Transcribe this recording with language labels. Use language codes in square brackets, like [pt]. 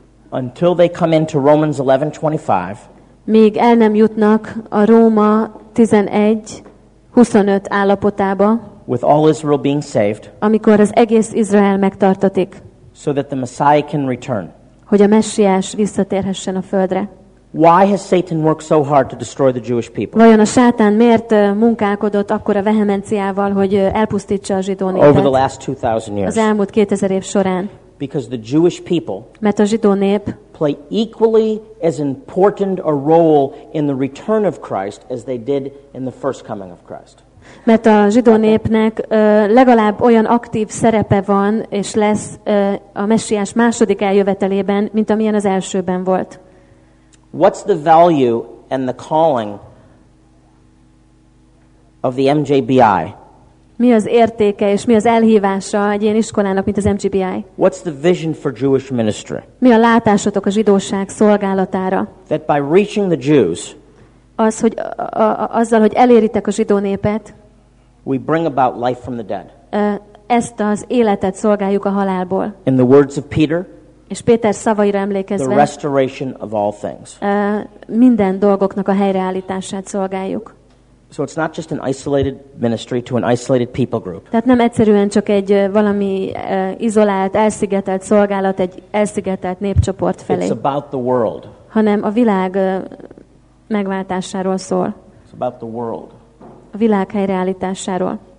[en] Until they come into Romans 11:25. [hu] Míg el nem jutnak a Róma 11:25 állapotába. [en] With all Israel being saved. [hu] Amikor az egész Izrael megtartatik. [en] So that the Messiah can return. [hu] Hogy a Messiás visszatérhessen a földre. [en] Why has Satan worked so hard to destroy the Jewish people? [hu] Vajon a sátán miért munkálkodott akkora vehemenciával, hogy elpusztítsa a zsidó népet? [en] Over the last 2000 years. [hu] Az elmúlt 2000 év során. [en] Because the Jewish people, [hu] mert a zsidó nép, [en] play equally as important a role in the return of Christ as they did in the first coming of Christ. [hu] Mert a zsidó népnek legalább olyan aktív szerepe van, és lesz a Messiás második eljövetelében, mint amilyen az elsőben volt. [en] What's the value and the calling of the MJBI? [hu] Mi az értéke és mi az elhívása egy ilyen iskolának, mint az MJBI? [en] What's the vision for Jewish ministry? [hu] Mi a látásotok a zsidóság szolgálatára? [en] That by reaching the Jews, [hu] az, hogy azzal, hogy eléritek a zsidó népet, [en] we bring about life from the dead. [hu] Ezt az életet szolgáljuk a halálból. [en] In the words of Peter, [hu] és Péter szavaira emlékezve, [en] the restoration of all things. [hu] Minden dolgoknak a helyreállítását szolgáljuk. [en] So it's not just an isolated ministry to an isolated people group. [hu] Tehát nem egyszerűen csak egy valami izolált, elszigetelt szolgálat egy elszigetelt népcsoport felé. [en] It's about the world. [hu] Hanem a világ megváltásáról szól. [en] It's about the world. [hu] A világ helyreállításáról.